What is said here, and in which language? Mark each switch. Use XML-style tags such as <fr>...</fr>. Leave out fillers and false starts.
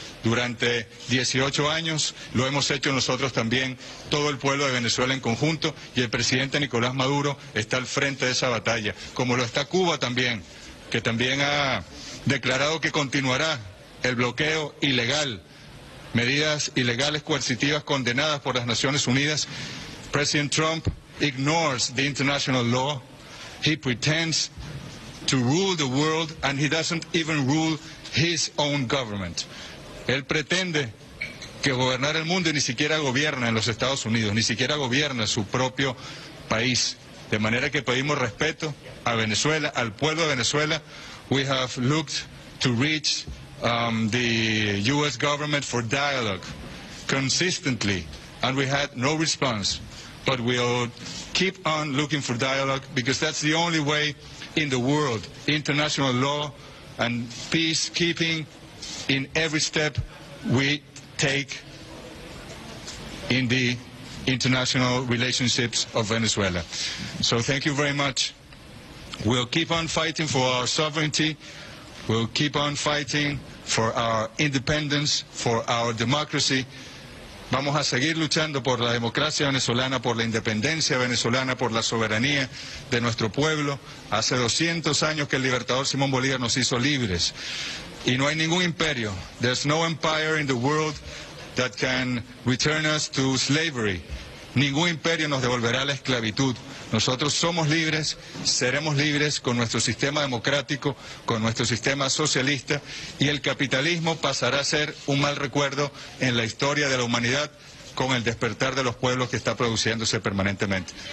<es>Durante 18 años lo hemos hecho nosotros también, todo el pueblo de Venezuela en conjunto, y el presidente Nicolás Maduro está al frente de esa batalla, como lo está Cuba también, que también ha declarado que continuará el bloqueo ilegal, medidas ilegales coercitivas condenadas por las Naciones Unidas.</es> <en>President Trump ignores the international law. He pretends to rule the world and he doesn't even rule his own government.</en> <es>Él pretende que gobernar el mundo y ni siquiera gobierna en los Estados Unidos, ni siquiera gobierna su propio país. De manera que pedimos respeto a Venezuela, al pueblo de Venezuela.</es> <en>We have looked to reach the U.S. government for dialogue consistently, and we had no response. But we'll keep on looking for dialogue because that's the only way in the world, international law and peacekeeping in every step we take in the international relationships of Venezuela. So thank you very much. We'll keep on fighting for our sovereignty. We'll keep on fighting for our independence, for our democracy.</en> <es>Vamos a seguir luchando por la democracia venezolana, por la independencia venezolana, por la soberanía de nuestro pueblo. Hace 200 años que el libertador Simón Bolívar nos hizo libres. Y no hay ningún imperio.</es> <en>There's no empire in the world that can return us to slavery.</en> <es>Ningún imperio nos devolverá la esclavitud. Nosotros somos libres, seremos libres con nuestro sistema democrático, con nuestro sistema socialista, y el capitalismo pasará a ser un mal recuerdo en la historia de la humanidad con el despertar de los pueblos que está produciéndose permanentemente.</es>